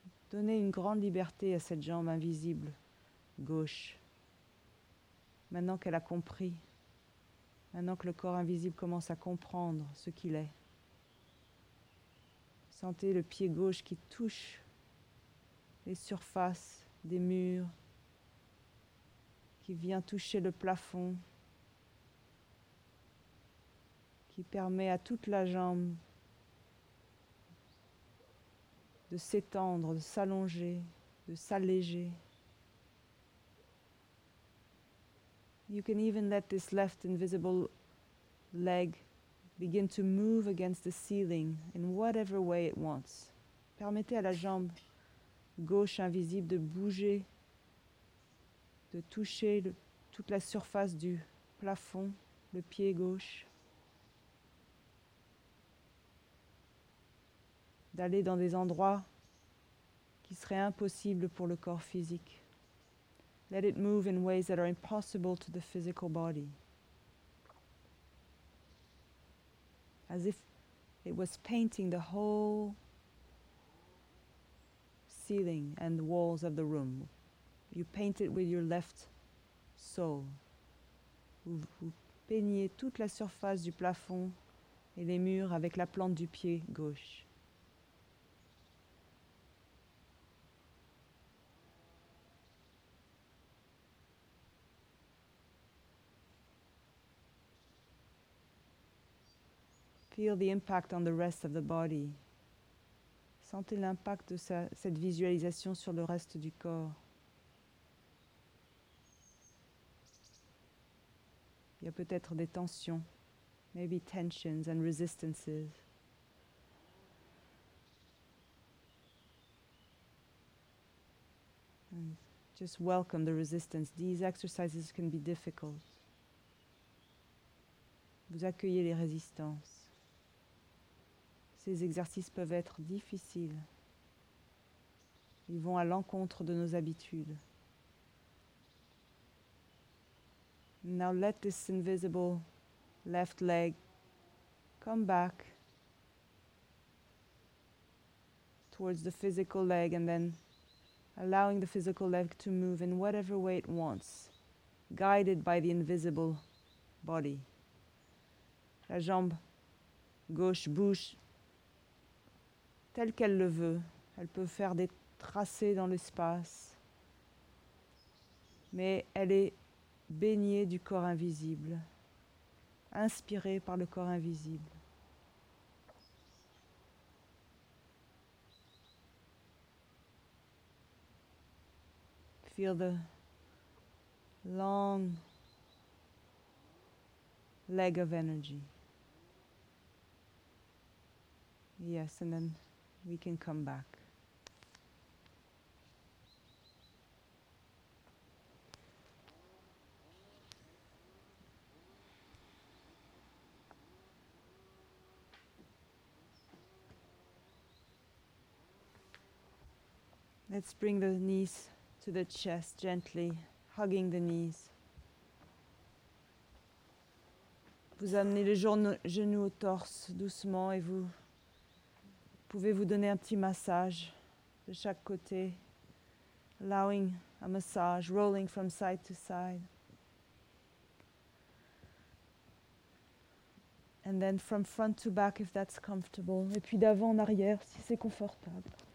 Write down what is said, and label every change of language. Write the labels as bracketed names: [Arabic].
[French] Donnez une grande liberté à cette jambe invisible gauche. Maintenant qu'elle a compris, maintenant que le corps invisible commence à comprendre ce qu'il est, sentez le pied gauche qui touche les surfaces des murs, qui vient toucher le plafond, qui permet à toute la jambe de s'étendre, de s'allonger, de s'alléger. [English] You can even let this left invisible leg begin to move against the ceiling in whatever way it wants. [French] Permettez à la jambe gauche invisible de bouger, de toucher toute la surface du plafond, le pied gauche, d'aller dans des endroits qui seraient impossibles pour le corps physique. [English] Let it move in ways that are impossible to the physical body. As if it was painting the whole ceiling and the walls of the room. You paint it with your left sole. [French] Vous peignez toute la surface du plafond et les murs avec la plante du pied gauche. [English] Feel the impact on the rest of the body. [French] Sentez l'impact de cette visualisation sur le reste du corps. Il y a peut-être des tensions, [English] maybe tensions and resistances. And just Just welcome the resistance. These exercises can be difficult. [French] Vous accueillez les résistances. Ces exercices peuvent être difficiles. Ils vont à l'encontre de nos habitudes. [English] Now let this invisible left leg come back towards the physical leg and then allowing the physical leg to move in whatever way it wants, guided by the invisible body. [French] La jambe gauche bouge telle qu'elle le veut. Elle peut faire des tracés dans l'espace, mais elle est baignée du corps invisible, inspirée par le corps invisible. [English] Feel the long leg of energy. Yes, and then we can come back. Let's bring the knees to the chest, gently hugging the knees. [French] Vous amenez les genoux au torse doucement et vous pouvez vous donner un petit massage de chaque côté, [English] allowing a massage, rolling from side to side. And then from front to back if that's comfortable. [French] Et puis d'avant en arrière si c'est confortable.